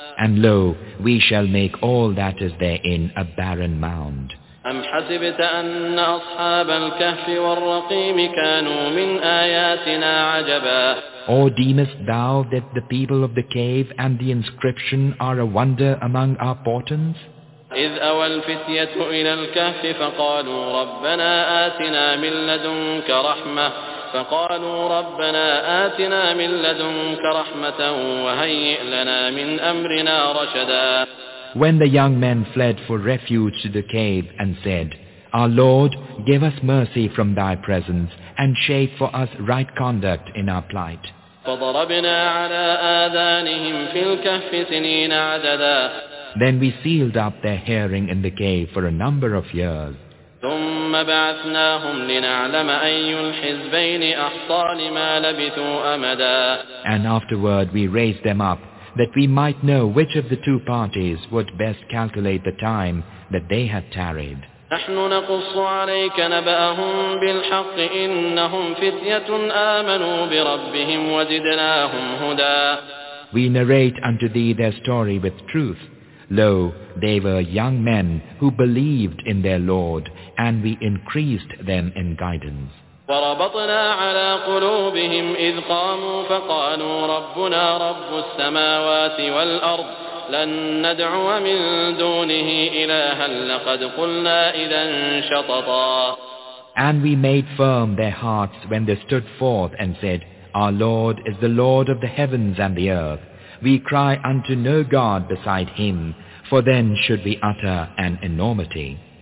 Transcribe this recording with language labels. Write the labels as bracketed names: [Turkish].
[English] And lo, we shall make all that is therein a barren mound. [Arabic] أَمْ حَسِبْتَ أَنَّ أَصْحَابَ الْكَهْفِ وَالرَّقِيمِ كَانُوا مِنْ آيَاتِنَا عَجَبًا. [English] Or deemest thou that the people of the cave and the inscription are a wonder among our portents? [Arabic] إذ أوى الفتية إلى الكهف فقالوا ربنا آتنا من لدنك رحمة فقالوا ربنا آتنا من لدنك رحمة وهيئ لنا من أمرنا رشدا. [English] When the young men fled for refuge to the cave and said, Our Lord, give us mercy from thy presence and shape for us right conduct in our plight. [Arabic] فضربنا على آذانهم في الكهف سنين عددا. [English] Then we sealed up their hearing in the cave for a number of years. [Arabic] ثم بعثناهم لنعلم أي الحزبين أحصى لما لبثوا أمدا. [English] And afterward we raised them up, that we might know which of the two parties would best calculate the time that they had tarried. [Arabic] نحن نقص عليك نبأهم بالحق إنهم فتية آمنوا بربهم وزدناهم هدى. [English] We narrate unto thee their story with truth. Lo, they were young men who believed in their Lord, and we increased them in guidance. [Arabic] فربطنا على قلوبهم إذ قاموا فقالوا ربنا رب السماوات والأرض لن ندعو من دونه إلها لقد قلنا إذا شططا. [English] And we made firm their hearts when they stood forth and said, Our Lord is the Lord of the heavens and the earth. We cry unto no God beside Him, for then should we utter an enormity.